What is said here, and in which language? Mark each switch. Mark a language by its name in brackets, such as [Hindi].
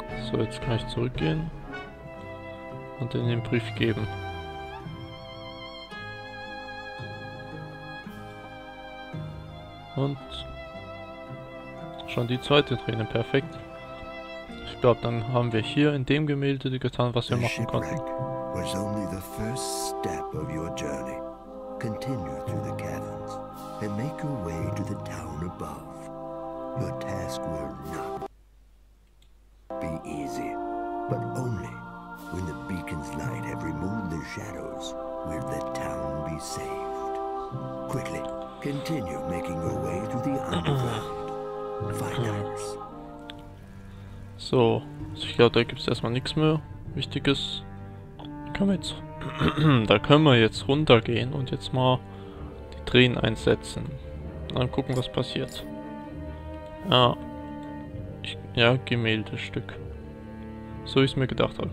[German] So, jetzt kann ich zurückgehen und in den Brief geben. Und schon die zweite Träne, perfekt. Ich glaube, dann haben wir hier in dem Gemälde getan, was wir machen konnten. [English] Was only the first step of your journey. Continue through the caverns and make your way to the town above. Your task will not be easy, but only when the beacon's light have removed the shadows will the town be saved. Quickly, continue making your way through the underground. Find us. [German] So, ich glaube, da gibt's erstmal nichts mehr Wichtiges. Da können wir jetzt runtergehen und jetzt mal die Tränen einsetzen. Dann gucken, was passiert. Ja. Ja, Gemäldestück. So wie ich es mir gedacht habe.